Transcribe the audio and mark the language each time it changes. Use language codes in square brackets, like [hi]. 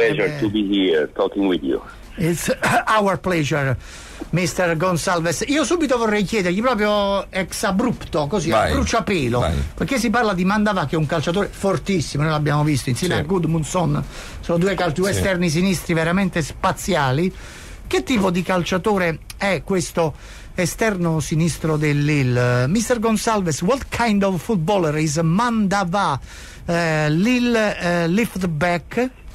[en] It's a pleasure to be here talking with you. It's our pleasure, Mr. Gonçalves. [it] Io subito vorrei chiedergli proprio ex abrupto, così, a bruciapelo, perché si parla di Mandava, che è un calciatore fortissimo, noi l'abbiamo visto insieme a Gudmundsson, sono due esterni sinistri veramente spaziali. Che tipo di calciatore è questo esterno sinistro del Lille? [en] Mr. Gonçalves, what kind of footballer is Mandava, Lille left back?